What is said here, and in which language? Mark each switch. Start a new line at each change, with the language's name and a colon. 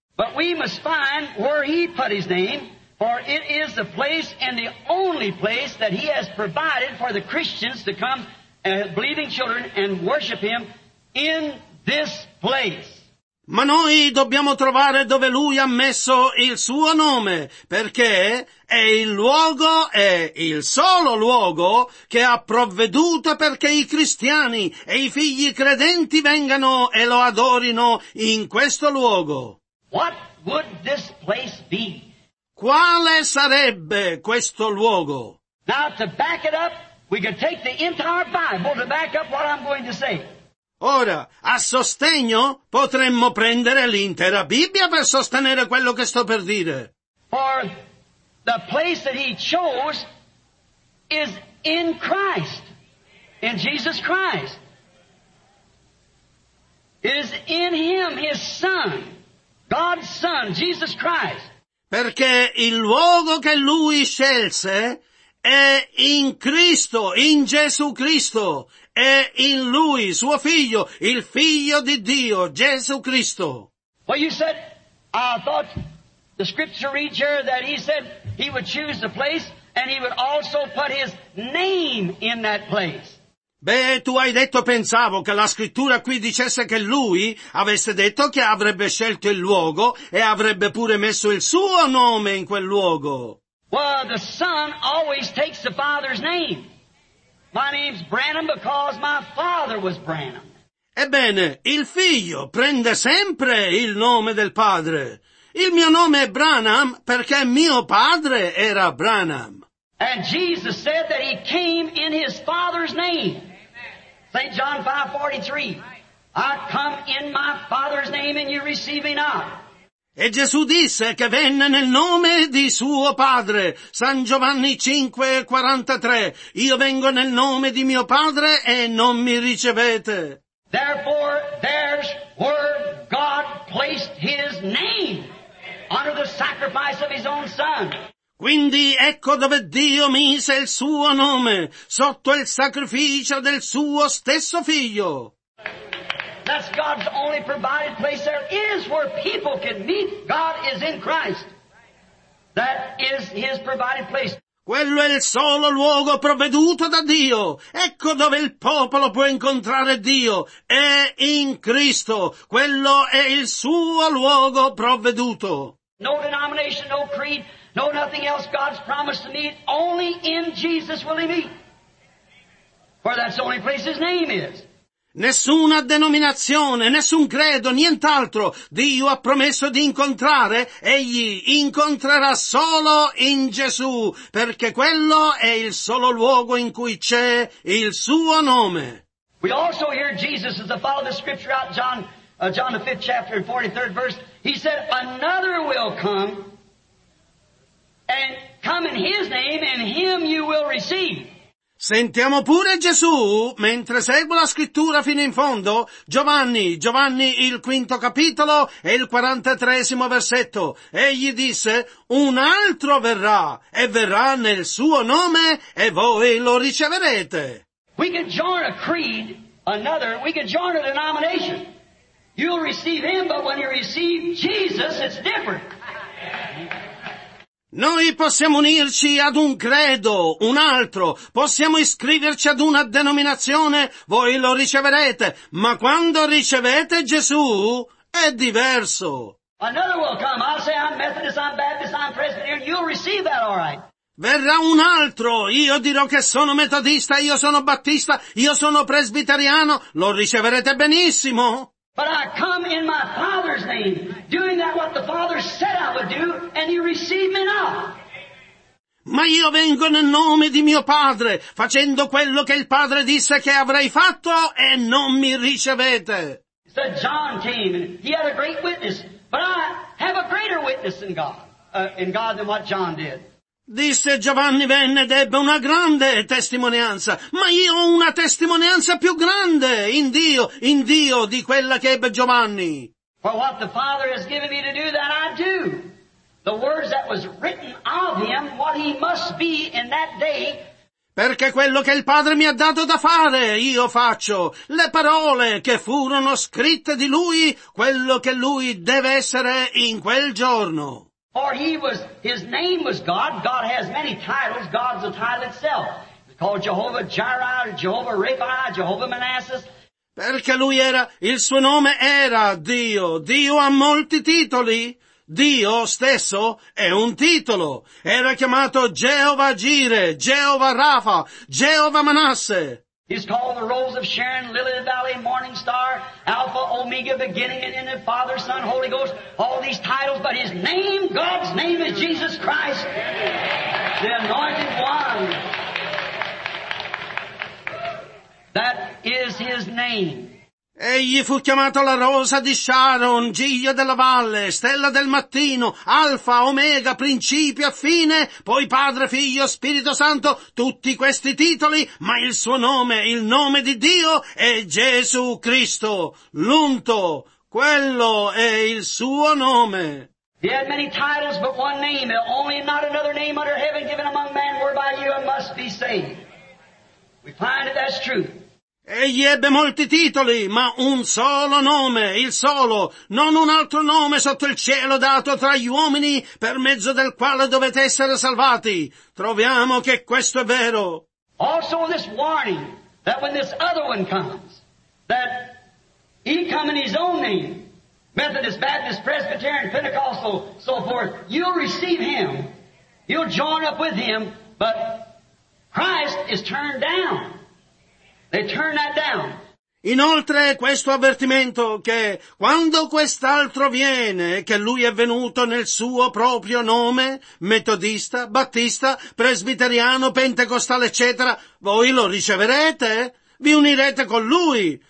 English: But we must find where he put his name. For it is the place and the only place that he has provided for the Christians to come, believing children, and worship him in this place.
Italian: Ma noi dobbiamo trovare dove lui ha messo il suo nome, perché è il luogo, è il solo luogo che ha provveduto perché i cristiani e i figli credenti vengano e lo adorino in questo luogo.
English: What would this place be?
Italian: Quale sarebbe questo luogo?
English: Now to back it up, we could take the entire Bible to back up what I'm going to say.
Italian: Ora, a sostegno, potremmo prendere l'intera Bibbia per sostenere quello che sto per dire.
English: For the place that he chose is in Christ, in Jesus Christ. It is in him, his son, God's son, Jesus Christ.
Italian: Perché il luogo che lui scelse è in Cristo, in Gesù Cristo. È in lui, suo figlio, il figlio di Dio, Gesù Cristo.
English: Well, you said, I thought the scripture reads here that he said he would choose the place and he would also put his name in that place.
Italian: Beh, tu hai detto, pensavo che la scrittura qui dicesse che lui avesse detto che avrebbe scelto il luogo e avrebbe pure messo il suo nome in quel luogo.
English: Well, the son always takes the father's name. My name's Branham because my father was Branham.
Italian: Ebbene, il figlio prende sempre il nome del padre. Il mio nome è Branham perché mio padre era Branham.
English: And Jesus said that he came in his father's name. St. John 5:43. I come in my father's name and you receive me not.
Italian: E Gesù disse che venne nel nome di suo padre, San Giovanni 5:43. Io vengo nel nome di mio padre e non mi ricevete.
English: Therefore, there's where God placed his name, under the sacrifice of his own son.
Italian: Quindi ecco dove Dio mise il suo nome, sotto il sacrificio del suo stesso figlio.
English: That's God's only provided place there is where people can meet. God is in Christ. That is his provided place.
Italian: Quello è il solo luogo provveduto da Dio. Ecco dove il popolo può incontrare Dio. È in Cristo. Quello è il suo luogo provveduto.
English: No denomination, no creed, no nothing else God's promised to meet. Only in Jesus will he meet. For that's the only place his name is.
Italian: Nessuna denominazione, nessun credo, nient'altro. Dio ha promesso di incontrare, egli incontrerà solo in Gesù, perché quello è il solo luogo in cui c'è il suo nome.
English: We also hear Jesus as the follow the scripture out John the 5th chapter and 43rd verse. He said, another will come, and come in his name, and him you will receive.
Italian: Sentiamo pure Gesù, mentre seguo la scrittura fino in fondo, Giovanni il 5° capitolo e il 43° versetto. Egli disse, un altro verrà, e verrà nel suo nome, e voi lo riceverete.
English: We can join a creed, another, we can join a denomination. You'll receive him, but when you receive Jesus, it's different.
Italian: Noi possiamo unirci ad un credo, un altro, possiamo iscriverci ad una denominazione, voi lo riceverete, ma quando ricevete Gesù è diverso.
English: Another will come, I'll say I'm Methodist, I'm Baptist, I'm Presbyterian, you'll receive that all right.
Italian: Verrà un altro, io dirò che sono metodista, io sono battista, io sono presbiteriano, lo riceverete benissimo.
English: But I come in my Father's name, doing that what the Father said I would do, and you receive me not.
Italian: Ma io vengo nel nome di mio Padre, facendo quello che il Padre disse che avrei fatto, e non mi ricevete.
English: So John came, and he had a great witness, but I have a greater witness in God than what John did.
Italian: Disse Giovanni venne ed ebbe una grande testimonianza, ma io ho una testimonianza più grande in Dio di quella che ebbe Giovanni.
English: For what the Father has given me to do, that I do. The words that was written of him, what he must be in that day.
Italian: Perché quello che il Padre mi ha dato da fare, io faccio. Le parole che furono scritte di lui, quello che lui deve essere in quel giorno.
English: For he was, his name was God. God has many titles. God's a title itself. It's called Jehovah Jireh, Jehovah Rapha, Jehovah Manassas.
Italian: Perché lui era, il suo nome era Dio. Dio ha molti titoli. Dio stesso è un titolo. Era chiamato Jehovah Jireh, Jehovah Rapha, Jehovah Manasseh.
English: He's called the Rose of Sharon, Lily of the Valley, Morning Star, Alpha, Omega, Beginning and End, Father, Son, Holy Ghost, all these titles, but his name, God's name is Jesus Christ, the Anointed One. That is his name.
Italian: Egli fu chiamato la Rosa di Sharon, Giglio della Valle, Stella del Mattino, Alfa, Omega, Principio, Fine, poi Padre, Figlio, Spirito Santo, tutti questi titoli, ma il nome di Dio è Gesù Cristo, l'Unto, quello è il suo nome.
English: He had many titles, but one name, only not another name under heaven given among man whereby you must be saved. We find that that's true.
Italian: Egli ebbe molti titoli, ma un solo nome, il solo, non un altro nome sotto il cielo dato tra gli uomini per mezzo del quale dovete essere salvati. Troviamo che questo è vero.
English: Also this warning that when this other one comes, that he come in his own name, Methodist, Baptist, Presbyterian, Pentecostal, so forth, you'll receive him, you'll join up with him, but Christ is turned down. They turn that down.
Italian: Inoltre questo avvertimento che quando quest'altro viene, che lui è venuto nel suo proprio nome, metodista, battista, presbiteriano, pentecostale, eccetera, voi lo riceverete, vi unirete con lui.